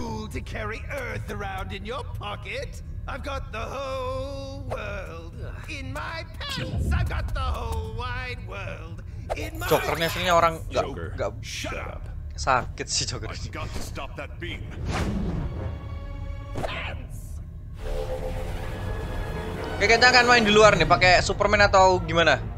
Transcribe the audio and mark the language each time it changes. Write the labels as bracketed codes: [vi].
[en] To carry Earth around in your pocket. I've got the whole world in my pants. I've got the whole wide world in my. [id] Jokernya sebenarnya orang enggak sakit sih Joker. [en] I've got to stop that beam. [id] Oke, kita akan main di luar nih pakai Superman atau gimana?